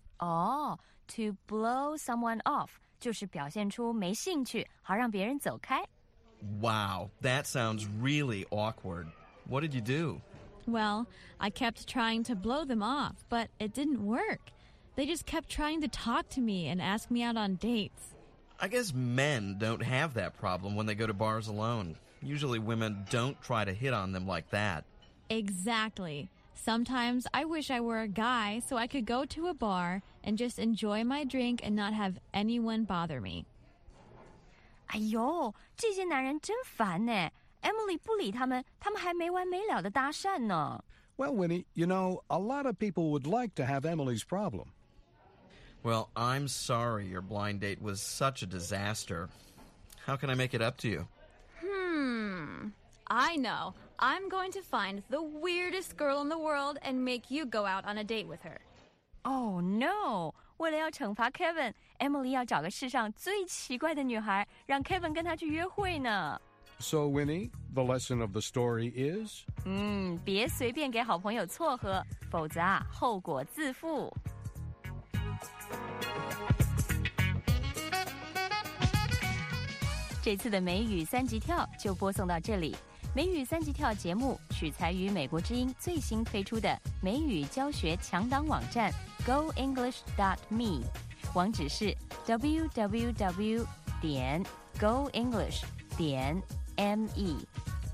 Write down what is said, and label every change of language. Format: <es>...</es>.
<en>Oh, to blow someone off,</en> <zh>就是表现出没兴趣好让别人走开。</zh> <en>Wow, that sounds really awkward. What did you do? Well, I kept trying to blow them off, but it didn't work. They just kept trying to talk to me and ask me out on dates. I guess men don't have that problem when they go to bars alone. Usually women don't try to hit on them like that. Exactly. Sometimes I wish I were a guy so I could go to a bar and just enjoy my drink and not have anyone bother me.</en> <zh>哎呦，这些男人真烦呢。 Emily 不理他们，他们还没完没了地搭讪呢。</zh> <en>Well, Winnie, you know, a lot of people would like to have Emily's problem. Well, I'm sorry your blind date was such a disaster. How can I make it up to you? I know. I'm going to find the weirdest girl in the world and make you go out on a date with her. Oh, no.</en> <zh>为了要惩罚 Kevin, Emily 要找个世上最奇怪的女孩让 Kevin 跟她去约会呢。</zh> <en>So, Winnie, the lesson of the story is?</en> <zh>别随便给好朋友撮合,否则啊,后果自负。这次的美语三级跳就播送到这里。美语三级跳节目取材于美国之音最新推出的美语教学强档网站 goenglish.me， 网址是 www.goenglish.me。</zh>